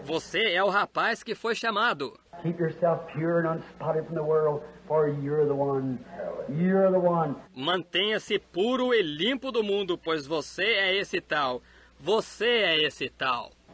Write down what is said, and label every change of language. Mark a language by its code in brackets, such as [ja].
[pt] Você é o rapaz que foi chamado. [en] Keep yourself pure and unspotted from the world, for you're the one. You're the one. [pt] Mantenha-se puro e limpo do mundo, pois você é esse tal. Você é esse tal.